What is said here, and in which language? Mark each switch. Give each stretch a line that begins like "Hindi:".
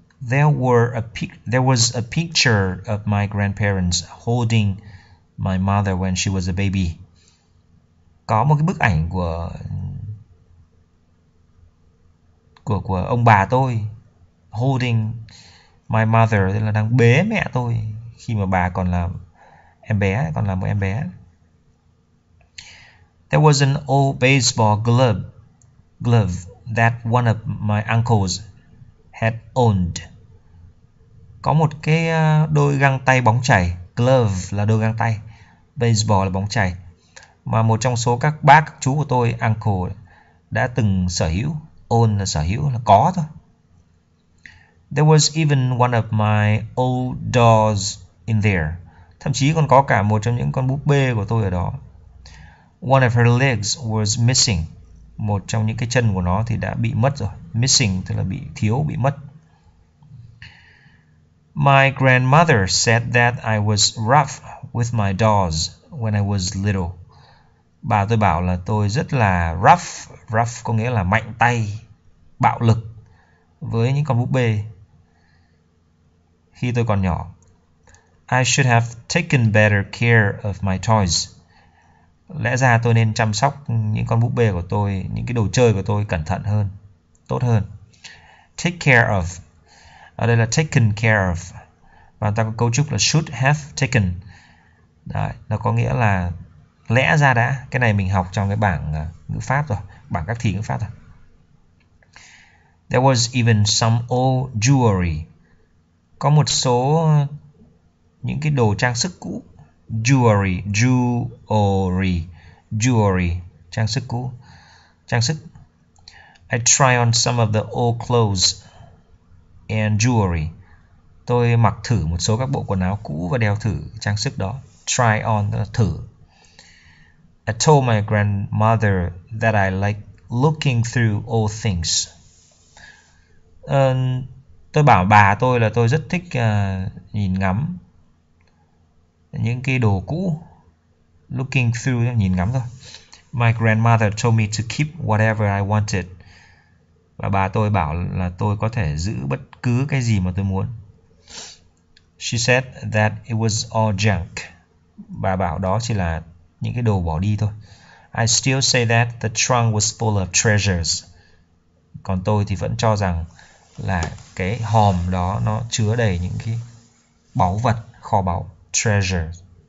English: There was a picture of my grandparents holding my mother when she was a baby.
Vietnamese: Có một cái bức ảnh của của ông bà tôi,
English: holding my mother,
Vietnamese: tức là đang bế mẹ tôi khi mà bà còn là em bé, còn là một em bé.
English: There was an old baseball glove that one of my uncles had owned.
Vietnamese: Có một cái đôi găng tay bóng chày, glove là đôi găng tay, baseball là bóng chày, mà một trong số các bác, các chú của tôi, uncle, đã từng sở hữu. Own là sở hữu, là có thôi.
English: There was even one of my old dolls in there.
Vietnamese: Thậm chí còn có cả một trong những con búp bê của tôi ở đó.
English: One of her legs was missing.
Vietnamese: Một trong những cái chân của nó thì đã bị mất rồi. Missing tức là bị thiếu, bị mất.
English: My grandmother said that I was rough with my dolls when I was little.
Vietnamese: Bà tôi bảo là tôi rất là rough, rough có nghĩa là mạnh tay, bạo lực với những con búp bê khi tôi còn nhỏ.
English: I should have taken better care of my toys.
Vietnamese: Lẽ ra tôi nên chăm sóc những con búp bê của tôi, những cái đồ chơi của tôi cẩn thận hơn, tốt hơn.
English: Take care of.
Vietnamese: Ở đây là taken care of. Và ta có cấu trúc là should have taken. Đấy, nó có nghĩa là lẽ ra đã. Cái này mình học trong cái bảng ngữ pháp rồi, bảng các thì ngữ pháp rồi.
English: There was even some old jewelry.
Vietnamese: Có một số những cái đồ trang sức cũ. Jewelry, jewelry, jewelry, trang sức cũ, trang sức.
English: I try on some of the old clothes and jewelry.
Vietnamese: Tôi mặc thử một số các bộ quần áo cũ và đeo thử trang sức đó.
English: Try on, thử. I told my grandmother that I like looking through old things.
Vietnamese: Tôi bảo bà tôi là tôi rất thích nhìn ngắm những cái đồ cũ.
English: Looking through,
Vietnamese: nhìn ngắm thôi.
English: My grandmother told me to keep whatever I wanted.
Vietnamese: Và bà tôi bảo là tôi có thể giữ bất cứ cái gì mà tôi muốn.
English: She said that it was all junk.
Vietnamese: Bà bảo đó chỉ là những cái đồ bỏ đi thôi.
English: I still say that the trunk was full of treasures.
Vietnamese: Còn tôi thì vẫn cho rằng là cái hòm đó nó chứa đầy những cái báu vật, kho báu, treasures.